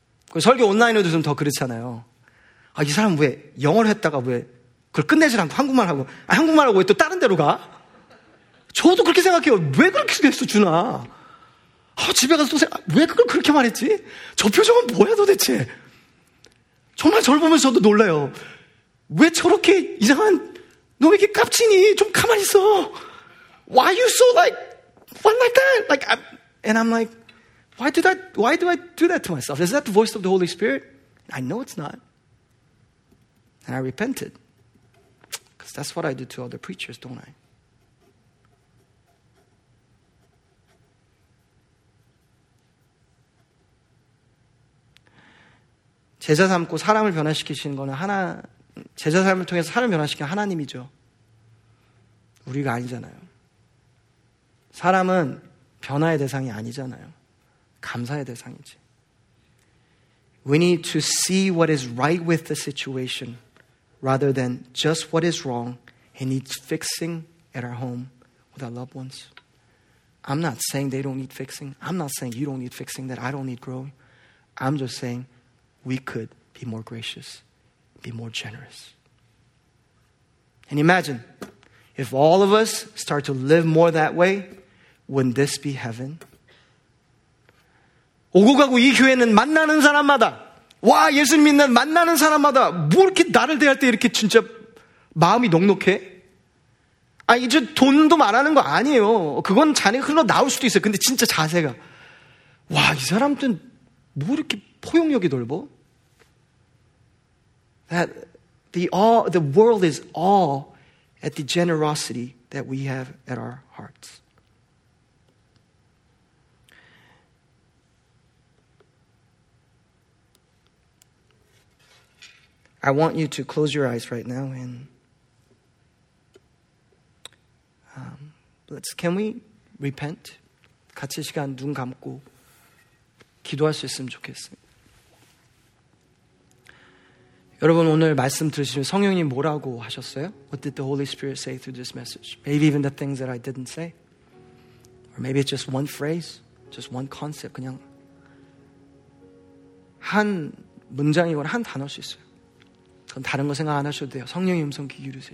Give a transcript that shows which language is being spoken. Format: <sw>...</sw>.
<ko>그 설교 온라인으로도 좀 더 그렇잖아요. 아, 이 사람 왜 영어를 했다가 왜 그걸 끝내질 않고 한국말 하고 아, 한국말 하고 왜 또 다른 데로 가? 저도 그렇게 생각해요. 왜 그렇게 됐어 주나? 아, 집에 가서 또 생각 왜 그걸 그렇게 말했지? 저 표정은 뭐야 도대체? 정말 저를 보면서 저도 놀라요. 왜 저렇게 이상한 너 왜 이렇게 깝치니? 좀 가만히 있어.</ko> <en>Why you so like what like that? Like I'm, and I'm like why do I do that to myself? Is that the voice of the Holy Spirit? I know it's not. And I repented. Because that's what I do to other preachers, don't I?</en> <ko>제자 삼고 사람을 변화시키시는 거는 하나 제자 삶을 통해서 사람을 변화시키는 하나님이죠. 우리가 아니잖아요. 사람은 변화의 대상이 아니잖아요. 감사의 대상이지.</ko> <en>We need to see what is right with the situation rather than just what is wrong and needs fixing at our home with our loved ones. I'm not saying they don't need fixing. I'm not saying you don't need fixing, that I don't need growing. I'm just saying we could be more gracious, be more generous. And imagine, if all of us start to live more that way, wouldn't this be heaven?</en> <ko>오고 가고 이 교회는 만나는 사람마다, 와, 예수님 믿는 만나는 사람마다, 뭐 이렇게 나를 대할 때 이렇게 진짜 마음이 넉넉해? 아, 이제 돈도 말하는 거 아니에요. 그건 잔이가 흘러나올 수도 있어요. 근데 진짜 자세가. 와, 이 사람들은 뭐 이렇게 포용력이 넓어?</ko> <en>That the awe, the world is awe at the generosity that we have at our hearts. I want you to close your eyes right now and can we repent?</en> <ko>같이 시간 눈 감고 기도할 수 있으면 좋겠어요. 여러분 오늘 말씀 들으시면 성령님 뭐라고 하셨어요?</ko> <en>What did the Holy Spirit say through this message? Maybe even the things that I didn't say. Or maybe it's just one phrase, just one concept.</en> <ko>그냥 한 문장이거나 한 단어일 수 있어요. 그럼 다른 거 생각 안 하셔도 돼요. 성령의 음성 귀 기울이세요.</ko>